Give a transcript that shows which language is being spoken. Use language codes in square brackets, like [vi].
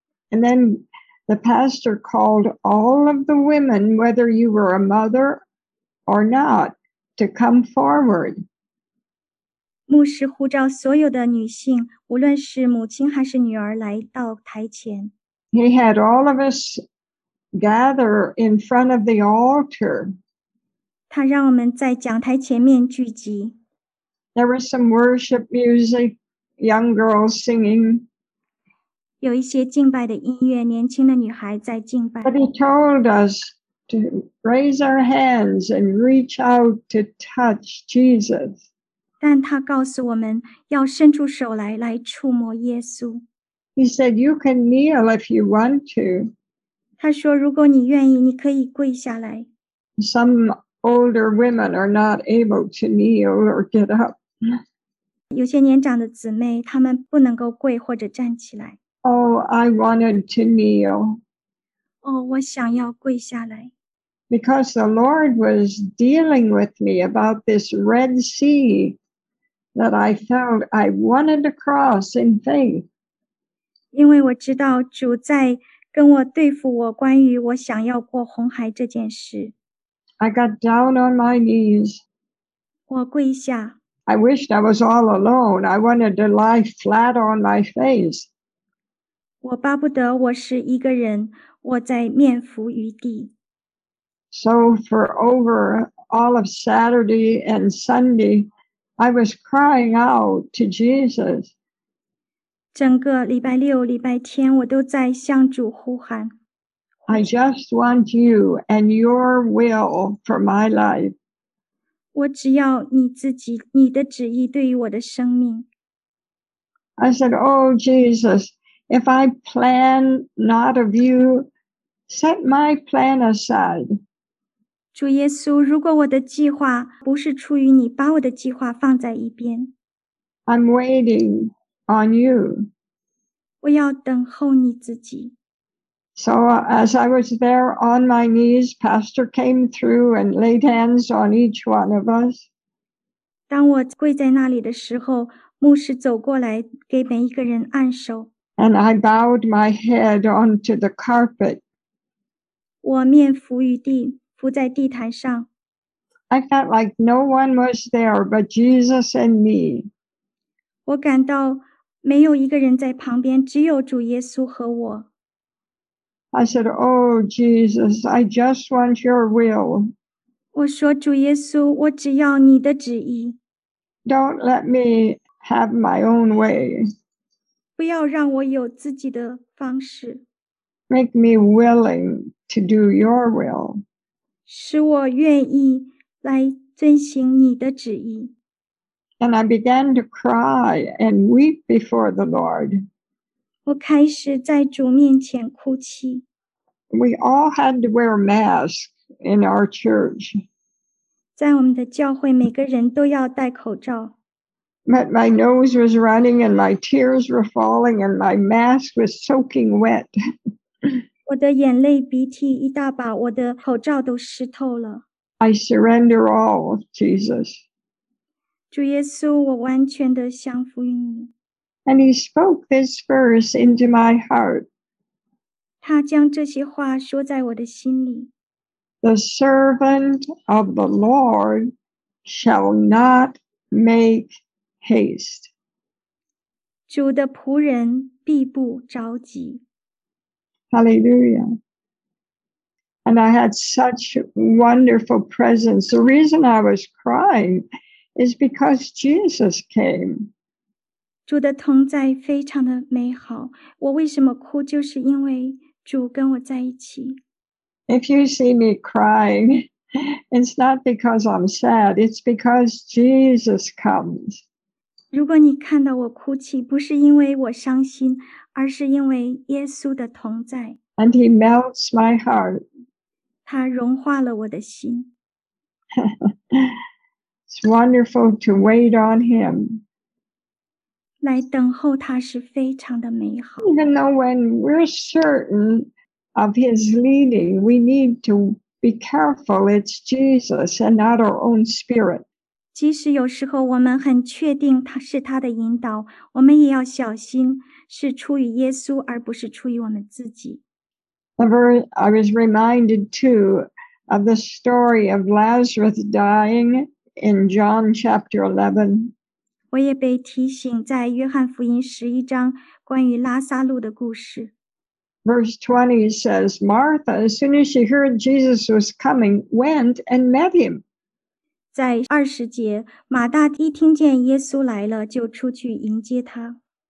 [en] And then the pastor called all of the women, whether you were a mother or not,to come forward. [zh] 牧师呼召所有的女性，无论是母亲还是女儿，来到台前。 [en] He had all of us gather in front of the altar. [zh] 他让我们在讲台前面聚集。 [en] There was some worship music, young girls singing. [zh] 有一些敬拜的音乐，年轻的女孩在敬拜。 [en] But he told us,to raise our hands and reach out to touch Jesus. [zh] 但他告诉我们要伸出手来触摸耶稣。 [en] He said, you can kneel if you want to. [zh] 他说如果你愿意你可以跪下来。 [en] Some older women are not able to kneel or get up. [zh] 有些年长的姊妹她们不能够跪或者站起来。 [en] Oh, I wanted to kneel. [zh] 哦，我想要跪下来。 [en] Because the Lord was dealing with me about this Red Sea that I felt I wanted to cross in faith. [zh] 因为我知道主在跟我对付我关于我想要过红海这件事。 [en] I got down on my knees. [zh] 我跪下。 [en] I wished I was all alone. I wanted to lie flat on my face. [zh] 我巴不得我是一个人。我在面伏于地。 [en] So for over all of Saturday and Sunday, I was crying out to Jesus. [zh] 整个礼拜六、礼拜天，我都在向主呼喊。 [en] I just want you and your will for my life. [zh] 我只要你自己，你的旨意对于我的生命。 [en] I said, Oh, Jesus, If I plan not of you, set my plan aside. [zh] 主耶稣，如果我的计划不是出于你，把我的计划放在一边。 [en] I'm waiting on you. [zh] 我要等候你自己。 [en] So as I was there on my knees, Pastor came through and laid hands on each one of us. [zh] 当我跪在那里的时候，牧师走过来给每一个人按手。 [en] And I bowed my head onto the carpet. [zh] 我面伏于地，伏在地毯上。 [en] I felt like no one was there but Jesus and me. [zh] 我感到没有一个人在旁边，只有主耶稣和我。 [en] I said, Oh, Jesus, I just want your will. [zh] 我说，主耶稣，我只要你的旨意。 [en] Don't let me have my own way. [zh] 不要让我有自己的方式。 [en] Make me willing to do your will. [zh] 使我愿意来遵行你的旨意。 [en] And I began to cry and weep before the Lord. [zh] 我开始在主面前哭泣。 [en] We all had to wear masks in our church. [zh] 在我们的教会，每个人都要戴口罩。 [en] But my nose was running and my tears were falling and my mask was soaking wet. [zh] 我的眼泪鼻涕一大把，我的口罩都湿透了。 [en] I surrender all, Jesus. [zh] 主耶稣，我完全地降服于你。 [en] And he spoke this verse into my heart. [zh] 他将这些话说在我的心里。 [en] The servant of the Lord shall not make haste. [zh] 主的仆人必不着急。 [en] Hallelujah. And I had such wonderful presence. The reason I was crying is because Jesus came. [zh] 主的同在非常的美好，我为什么哭，就是因为主跟我在一起。 [en] If you see me crying, it's not because I'm sad, it's because Jesus comes. [zh] 如果你看到我哭泣，不是因为我伤心，而是因为耶稣的同在。 [en] And he melts my heart. [zh] 他融化了我的心。 [en] It's wonderful to wait on him. [zh] 来等候他是非常的美好。 [en] Even though when we're certain of his leading, we need to be careful it's Jesus and not our own spirit. [zh] 即使有时候我们很确定他是他的引导，我们也要小心是出于耶稣而不是出于我们自己。 [en] I was reminded too of the story of Lazarus dying in John chapter 11. [zh] 我也被提醒在约翰福音十一章关于拉撒路的故事。 [en] Verse 20 says, Martha, as soon as she heard Jesus was coming, went and met him. [zh] 在二十节，马大一听见耶稣来了，就出去迎接他。